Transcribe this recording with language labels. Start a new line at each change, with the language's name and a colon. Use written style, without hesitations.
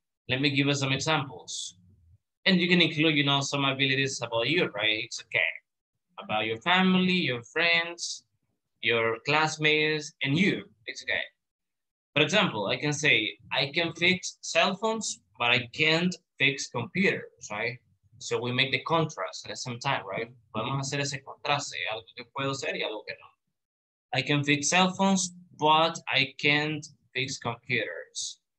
English: Let me give us some examples. And you can include, you know, some abilities about you, right? It's okay. About your family, your friends, your classmates, and you, it's okay. For example, I can say, I can fix cell phones, but I can't fix computers, right? So we make the contrast at the same time, right?
Spanish: Podemos hacer ese contraste, algo que puedo hacer y algo que no.
English: I can fix cell phones, but I can't fix computers.